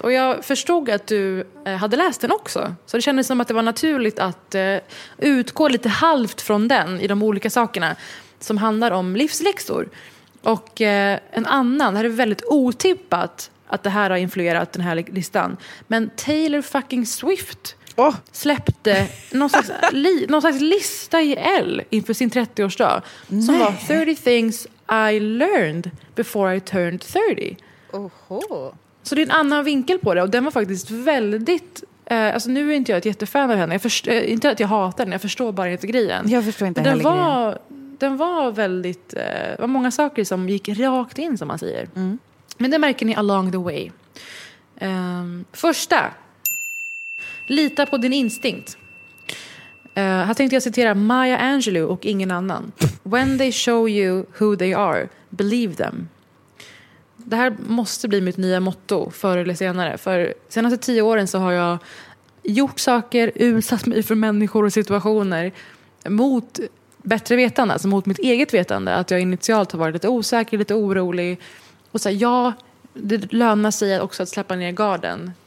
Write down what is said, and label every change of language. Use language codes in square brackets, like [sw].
[sv] Och jag förstod att du hade läst den också. Så det kändes som att det var naturligt att utgå lite halvt från den i de olika sakerna som handlar om livsläxor. Och en annan, det här är väldigt otippat att det här har influerat den här listan. Men Taylor fucking Swift... Oh. Släppte någon slags lista i L inför sin 30-årsdag. Nej. Som var [en] 30 things I learned before I turned 30. Oho. [sv] Så det är en annan vinkel på det. Och den var faktiskt väldigt... alltså nu är inte jag ett jättefan av henne. Inte att jag hatar den, jag förstår bara inte grejen. Jag förstår inte den heller var, grejen. Den var väldigt... var många saker som gick rakt in, som man säger. Mm. Men det märker ni [en] along the way. [sv] Första... Lita på din instinkt. Här tänkte jag citera Maya Angelou och ingen annan. [en] When they show you who they are, believe them. [sv] Det här måste bli mitt nya motto förr eller senare. För senaste 10 åren så har jag gjort saker, utsatt mig för människor och situationer mot bättre vetande, alltså mot mitt eget vetande. Att jag initialt har varit lite osäker, lite orolig. Och så här, ja, det lönar sig också att släppa ner garden.